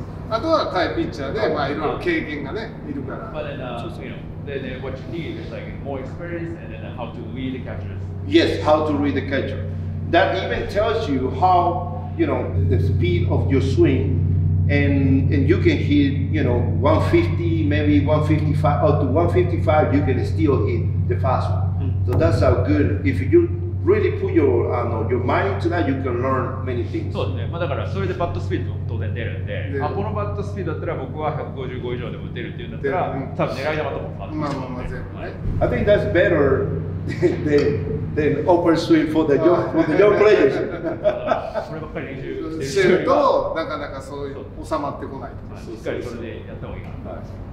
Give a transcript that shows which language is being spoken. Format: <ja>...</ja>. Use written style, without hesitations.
<ja>あとは対ピッチャーで、まあいろいろ経験がね、いるから。</ja> <en>But then, you know, then what you need is like more experience and then how to read the catchers. Yes, how to read the catcher. That even tells you how, you know, the speed of your swing, and you can hit, you know, 150, maybe 155, up to 155, you can still hit the fast one. Mm. So that's how good if you. Really put your mind to that, you can learn many things.</en> <ja>そうですね。まあだからそれでバットスピードも当然出るんで、あこのバットスピードだったら僕は155以上でも打てるっていうんだったら、多分狙い球とかも変わってくる。まあまあ全部ね。</ja> <en>I think that's better than open swing for the young players.</en> <ja>そればっかり練習してるとなかなかそういう収まってこない。しっかりそれでやった方がいいかな。</ja>